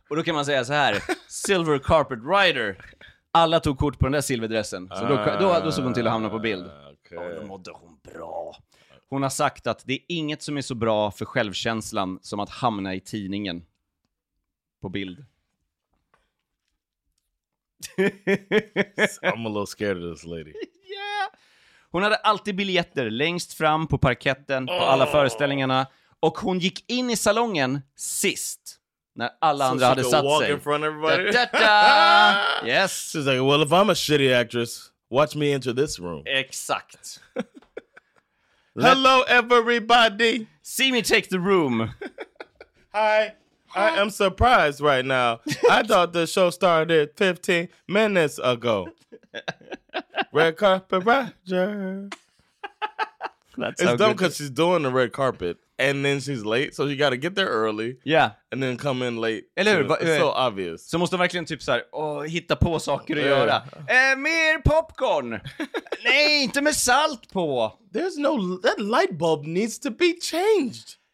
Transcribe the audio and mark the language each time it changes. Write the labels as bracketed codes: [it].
[sv] Och då kan man säga så här. [en] Silver carpet rider. [sv] Alla tog kort på den där silverdressen. Så då såg hon till att hamna på bild. Okay. Ja, då mådde hon bra. Hon har sagt att det är inget som är så bra för självkänslan som att hamna i tidningen. På bild. [en] I'm a little scared of this lady. [sv] Hon hade alltid biljetter längst fram på parketten på alla föreställningarna. Och hon gick in i salongen sist. När alla [en] so [sv] andra hade satt [en] walk [sv] sig. [en] In front of everybody. Da-da-da! Yes. She's like, well, if I'm a shitty actress, watch me enter this room. [sv] Exakt. [en] Hello, everybody. See me take the room. Hi. I am surprised right now. I thought the show started 15 minutes ago. Red carpet Roger. That's it's so dumb because she's doing the red carpet and then she's late, so she got to get there early. Yeah, and then come in late. [sv] Eller hur? [en] So, it's so obvious. [sv] Så måste verkligen typ så här, hitta på saker att göra. Mer popcorn. Nej, inte med salt på. [en] There's no that light bulb needs to be changed.